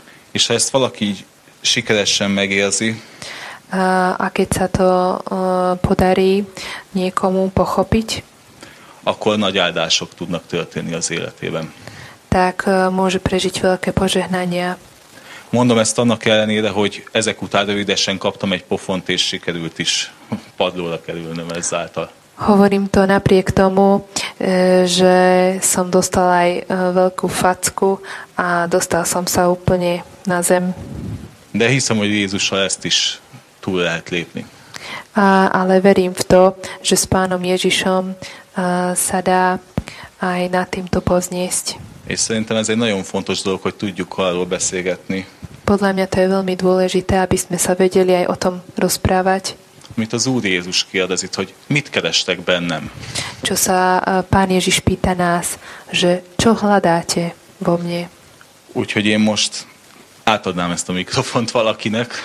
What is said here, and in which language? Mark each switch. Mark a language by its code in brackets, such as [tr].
[hu] És ha ezt valaki így sikeresen megérzi, [sk] a keď sa to podarí niekomu pochopiť, [hu] akkor nagy áldások tudnak történni az életében. [sk] Tak môže prežiť veľké požehnania. [hu] Mondom ezt annak ellenére, hogy ezek után rövidesen kaptam egy pofont, és sikerült is padlóra kerülnöm ezáltal. [sk] Hovorím to napriek tomu, že som dostal aj veľkú facku a dostal som sa úplne na zem. [hu] De hiszem, hogy Jézussal ezt is túl lehet lépni. [sk] Ale verím v to, že s Pánom Ježišom sa dá aj na týmto pozniesť. [hu] És szerintem ez egy nagyon fontos dolog, hogy tudjuk arról beszélgetni. [sk] Podľa mňa to je veľmi dôležité, aby sme sa vedeli aj o tom rozprávať. [hu] Amit az Úr Jézus kérdez itt, hogy mit kerestek bennem? [sk] Čo sa Pán Ježiš pýta nás, že čo hľadáte vo mne? [hu] Úgyhogy én most átadnám ezt a mikrofont valakinek.